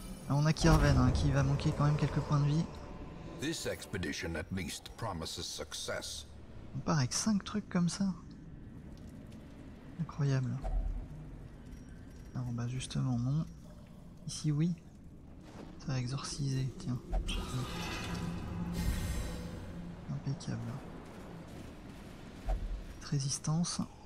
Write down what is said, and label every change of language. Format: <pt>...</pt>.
<fr>On a Kirven hein, qui va manquer quand même quelques points de vie.</fr> <en>This expedition at least promises success.</en> <fr>On part avec 5 trucs comme ça. Incroyable. Alors bah justement non. Ici oui. Ça va exorciser, tiens. Impeccable. Cette résistance.</fr>